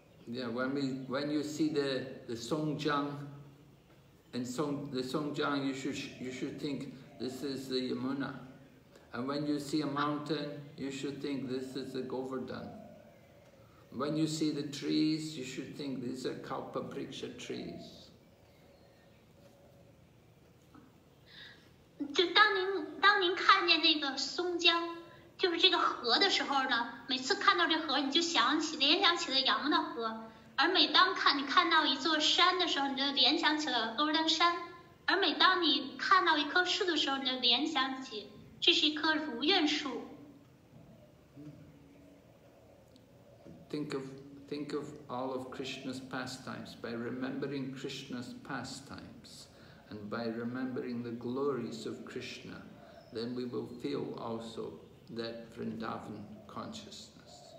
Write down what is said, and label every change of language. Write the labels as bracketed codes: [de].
[en] Yeah, when you see the Songjiang, and the Songjiang, you should think this is the Yamuna, and when you see a mountain, you should think this is the Govardhan. When you see the trees, you should think these are Kalpa Vriksha trees. [zh] 就当您看见那个松江，就是这个河的时候呢，每次看到这河，你就联想起了杨的河。而每当你看到一座山的时候，你就联想起了高登山。而每当你看到一棵树的时候，你就联想起这是一棵如愿树。 [en] Think of all of Krishna's pastimes by remembering Krishna's pastimes, and by remembering the glories of Krishna, then we will feel also that Vrindavan consciousness.